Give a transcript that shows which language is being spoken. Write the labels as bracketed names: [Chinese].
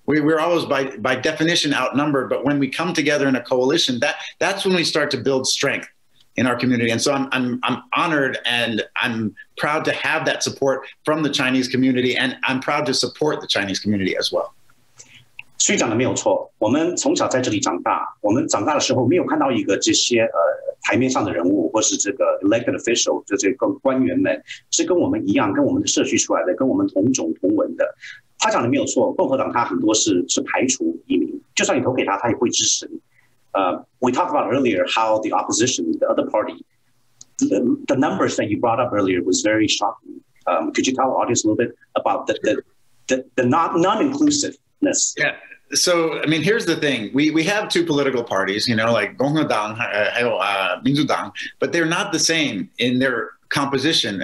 [English] we're always by definition outnumbered, but when we come together in a coalition, that's when we start to build strength in our community. And so I'm honored and I'm proud to have that support from the Chinese community, and I'm proud to support the Chinese community as well. [Chinese] 所以讲的没有错，我们从小在这里长大，我们长大的时候没有看到一个这些台面上的人物，或是这个 [English] elected official， [Chinese] 就这个官员们，是跟我们一样，跟我们的社区出来的，跟我们同种同文的。他讲的没有错，共和党他很多是排除移民，就算你投给他，他也不会支持你。 [English] We talked about earlier how the opposition, the other party, the numbers that you brought up earlier was very shocking. Could you tell our audience a little bit about the non-inclusiveness? Yeah. So, I mean, here's the thing. We have two political parties, you know, like [Chinese] 共和党还有民主党, [English] but they're not the same in their composition.